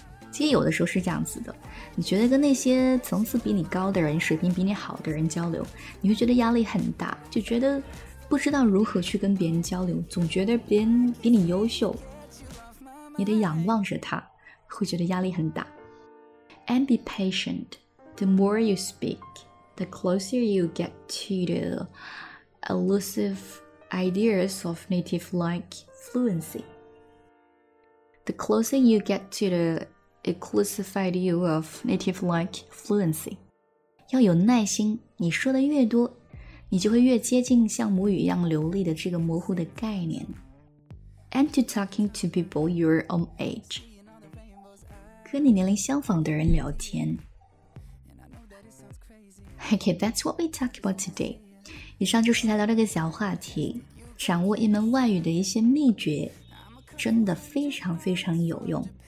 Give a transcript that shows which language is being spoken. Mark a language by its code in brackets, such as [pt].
[zh] 其实有的时候是这样子的，你觉得跟那些层次比你高的人、水平比你好的人交流，你会觉得压力很大，就觉得不知道如何去跟别人交流，总觉得别人比你优秀，你得仰望着他，会觉得压力很大。 [en] And be patient. The more you speak, the closer you get to theElusive ideas of native-like fluency. The closer you get to the elusive idea of native-like fluency. [zh] 要有耐心，你说的越多，你就会越接近像母语一样流利的这个模糊的概念。 [en] And to talking to people your own age. [zh] 跟你年龄相仿的人聊天。 [en] Okay, that's what we talk about today. [zh] 以上就是聊这个小话题，掌握一门外语的一些秘诀，真的非常非常有用。